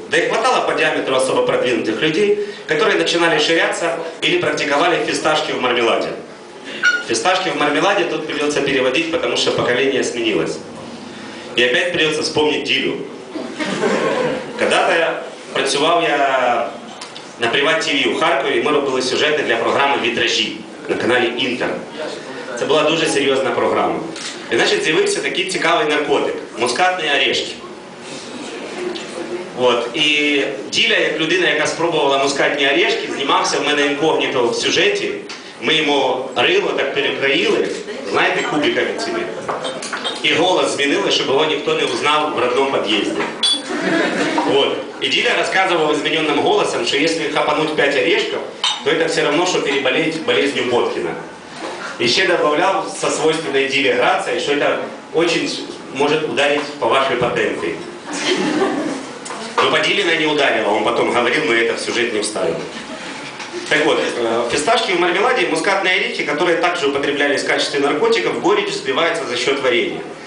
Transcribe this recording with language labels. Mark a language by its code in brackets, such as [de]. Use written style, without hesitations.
[ru] Да и хватало по диаметру особо продвинутых людей, которые начинали ширяться или практиковали фисташки в мармеладе. Фисташки в мармеладе тут придется переводить, потому что поколение сменилось. И опять придется вспомнить Дилю. Когда-то [uk] працював я [ru] на Приват ТВ [uk] у Харкові, [ru] и мы робили сюжеты для программы «Вітражі» [uk] на каналі «Інтер». Це була дуже серйозна програма. І, значить, з'явився такий цікавий наркотик – мускатні орешки. От. І Діля, як людина, яка спробувала мускатні орешки, знімався в мене інкогніто в сюжеті. Ми йому рило так перекроїли, знаєте, кубиками цими. І голос змінили, щоб його ніхто не узнав в родному під'їзді. От. І Діля розказував змінённим голосом, що якщо хапануть 5 орешків, [ru] то это все равно, что переболеть болезнью Боткина. Еще добавлял со свойственной Диле грацией, что это очень может ударить по вашей потенции. Но по Диле не ударило, он потом говорил, мы это в сюжет не вставим. Так вот, фисташки в мармеладе и мускатные орехи, которые также употреблялись в качестве наркотиков, горечь сбивается за счет варенья.